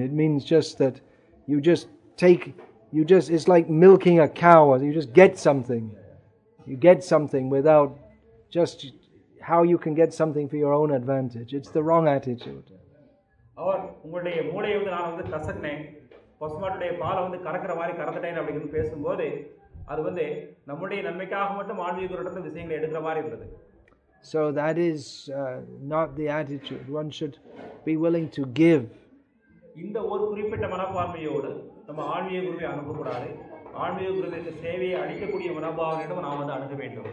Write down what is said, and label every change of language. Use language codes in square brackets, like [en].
[en] It means just that you just take, it's like milking a cow, you just get something without just how you can get something for your own advantage. It's the wrong attitude. [ta] அவர் உங்களுடைய மூளையை வந்து நான் வந்து கசக்கினேன், பசுமாட்டுடைய பாலை வந்து கறக்கிற மாதிரி கறந்துட்டேன் அப்படின்னு பேசும்போது அது வந்து நம்முடைய நன்மைக்காக மட்டும் ஆன்மீகத்தோட விஷயங்களை எடுக்கிற மாதிரி இருந்தது. [en] So that is not the attitude. One should be willing to give. [ta] இந்த ஒரு குறிப்பிட்ட மனப்பான்மையோடு நம்ம ஆன்மீக குருவை அனுப்ப கூடாது. ஆன்மீக குருவிற்கு சேவையை அளிக்கக்கூடிய மனப்பாவனையோடு நாம் வந்து அனுப்ப வேண்டும்.